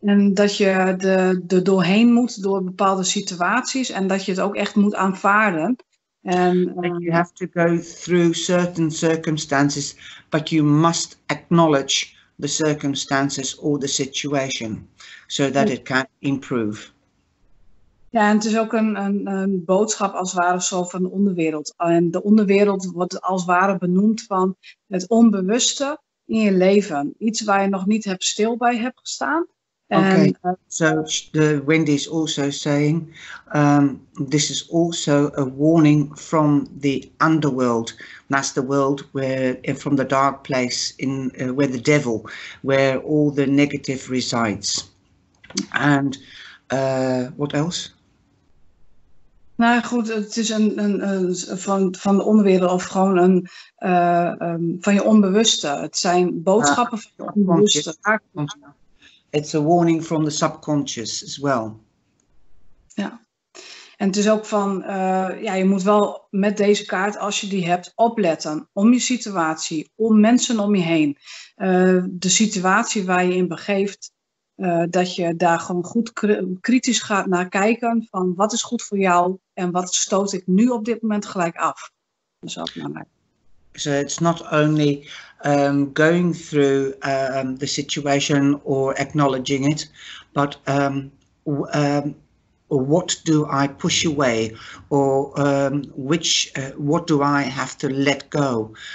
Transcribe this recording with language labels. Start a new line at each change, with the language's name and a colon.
Dutch: En dat je er doorheen moet door bepaalde situaties. En dat je het ook echt moet aanvaarden.
English: And you have to go through certain circumstances. But you must acknowledge the circumstances or the situation. So that it can improve.
Dutch: Ja, en het is ook een boodschap als het ware zo van de onderwereld. En de onderwereld wordt als het ware benoemd van het onbewuste in je leven. Iets waar je nog niet hebt stil bij hebt gestaan.
English: So Wendy is also saying, this is also a warning from the underworld. That's the world where, from the dark place, in where the devil, where all the negative resides. And what else?
Dutch: Nou goed, het is een van de onderwereld of gewoon een van je onbewuste. Het zijn boodschappen van je onbewuste.
English: It's a warning from the subconscious as well.
Dutch: Ja. En het is ook van, je moet wel met deze kaart, als je die hebt, opletten om je situatie, om mensen om je heen. De situatie waar je in begeeft. Dat je daar gewoon goed kritisch gaat naar kijken van wat is goed voor jou en wat stoot ik nu op dit moment gelijk af.
English: So it's not only going through the situation or acknowledging it, but what do I push away, or what do I have to let go?